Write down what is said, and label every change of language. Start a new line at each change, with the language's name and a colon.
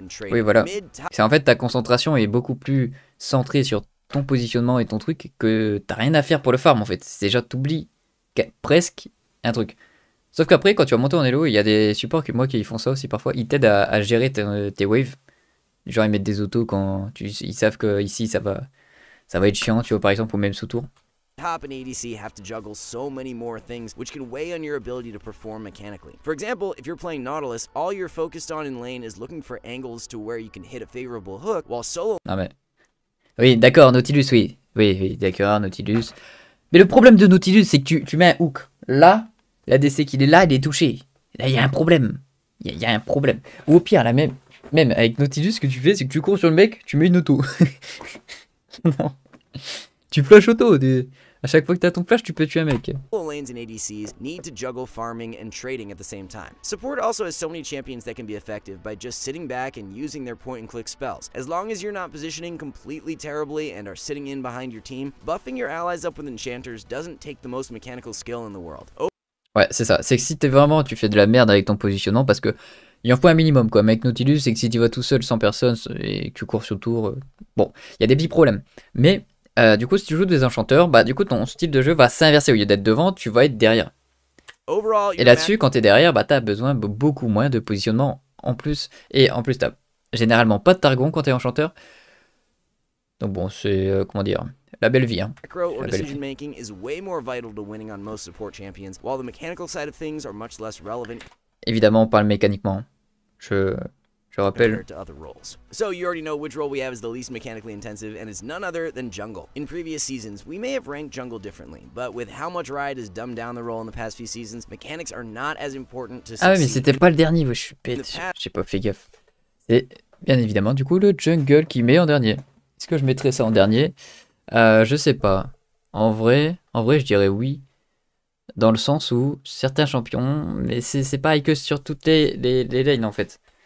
French: Oui, voilà. C'est en fait, ta concentration est beaucoup plus centrée sur ton positionnement et ton truc que t'as rien à faire pour le farm, en fait. C'est déjà, t'oublies presque un truc. Sauf qu'après, quand tu vas monter en elo, il y a des supports que moi qui font ça aussi parfois. Ils t'aident à gérer tes waves. Genre, ils mettent des autos quand ils savent que ici ça va être chiant, tu vois, par exemple, au même sous-tour.
English: Top and ADC have to juggle so many more things which can weigh on your ability to perform mechanically. For example, if you're playing Nautilus, all you're focused on in lane is looking for angles to where you can hit a favorable hook while solo.
French: Non, mais. Oui, d'accord, Nautilus, oui. Oui, d'accord, Nautilus. Mais le problème de Nautilus, c'est que tu mets un hook là, l'ADC qui est là, il est touché. Là, il y a un problème. Il y a un problème. Ou au pire, là même. Même avec Nautilus, ce que tu fais, c'est que tu cours sur le mec, tu mets une auto. Non. Tu flash auto. À chaque fois que t'as ton flash, tu peux tuer un mec.
English: All lanes and ADCs need to juggle farming and trading at the same time. Support also has so many champions that can be effective by just sitting back and using their point and click spells. As long as you're not positioning completely terribly and are sitting in behind your team, buffing your allies up with enchanters doesn't take the most mechanical skill in the world.
French: Ouais, c'est ça. C'est que si t'es vraiment, tu fais de la merde avec ton positionnement parce que. Il en faut un minimum, quoi. Mais avec Nautilus, c'est que si tu vas tout seul, sans personne, et que tu cours sur le tour... Bon, il y a des petits problèmes. Mais, du coup, si tu joues des enchanteurs, bah, du coup, ton style de jeu va s'inverser. Au lieu d'être devant, tu vas être derrière.
English: Overall,
French: et là-dessus, quand t'es derrière, bah, t'as besoin de beaucoup moins de positionnement en plus. Et en plus, t'as généralement pas de Targon quand t'es enchanteur. Donc bon, c'est... comment dire... La belle vie, hein.
English: Macro or decision making is way more vital to winning on most support champions, while the mechanical side of things are much less relevant...
French: Évidemment, on parle mécaniquement. Je rappelle.
English: To other roles. So you already know which role we have is the least mechanically intensive, and it's none other than jungle. In previous seasons, we may have ranked jungle differently, but with how much Riot has dumbed down the role in the past few seasons, mechanics are not as important to succeed.
French: Ah oui, mais c'était pas le dernier, je suis pète. J'ai pas fait gaffe. C'est bien évidemment du coup le jungle qui met en dernier. Est-ce que je mettrais ça en dernier? Je sais pas. En vrai, je dirais oui. Dans le sens où certains champions, mais c'est pareil que sur toutes les lanes en fait.